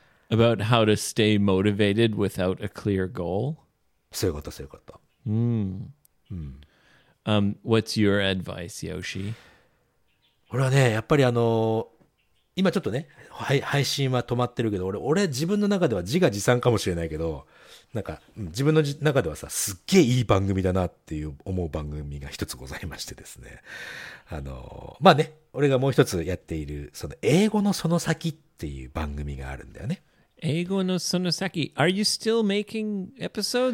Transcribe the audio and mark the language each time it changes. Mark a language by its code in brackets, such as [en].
[en] About how to stay motivated without a clear goal? [ja] そういうこと、そういうこと。うん。 [en] What's your advice, Yoshi? [ja] 俺はね、やっぱり今ちょっとね、配信は止まってるけど、俺自分の中では自画自賛かもしれないけど、なんか自分の中ではさ、すっげえいい番組だなっていう思う番組が一つございましてですね。まあね、俺がもう一つやっている、その英語のその先っていう番組があるんだよね。英語のその先。 [en] Are you still making episodes?